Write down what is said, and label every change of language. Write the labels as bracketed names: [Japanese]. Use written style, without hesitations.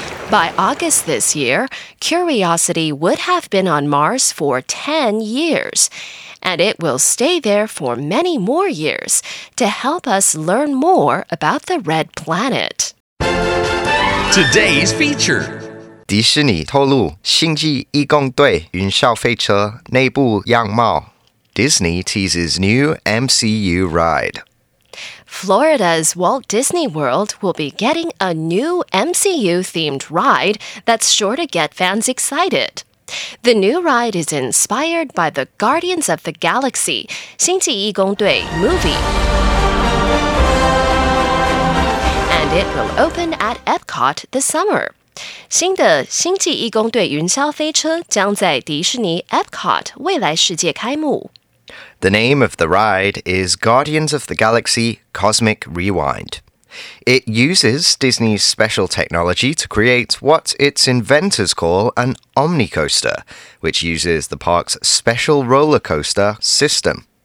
[English] By August this year, Curiosity would have been on Mars for 10 years, and it will stay there for many more years to help us learn more about the red planet. Today's feature. [Chinese] 迪士尼透露星际义工队云霄飞车内部样貌。 [English] Disney teases new MCU ride. Florida's Walt Disney World will be getting a new MCU-themed ride that's sure to get fans excited. The new ride is inspired by the Guardians of the Galaxy 星际义工队 movie. And it will open at Epcot this summer. [Chinese] 新的星际义工队云霄飞车将在迪士尼 Epcot 未来世界开幕。 [English] The name of the ride is Guardians of the Galaxy Cosmic Rewind. It uses Disney's special technology to create what its inventors call an omnicoaster, which uses the park's special roller coaster system.